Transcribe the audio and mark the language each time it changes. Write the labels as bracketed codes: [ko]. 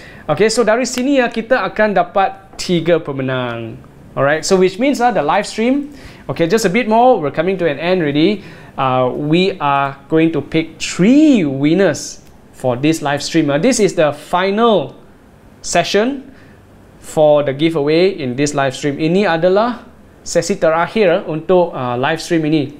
[ms] Okay, so dari sini kita akan dapat 3 pemenang. [en] All right, so which means the live stream, okay, just a bit more, we're coming to an end already. We are going to pick 3 winners for this live stream. This is the final session for the giveaway in this live stream. [ms] Ini adalah sesi terakhir untuk live stream ini.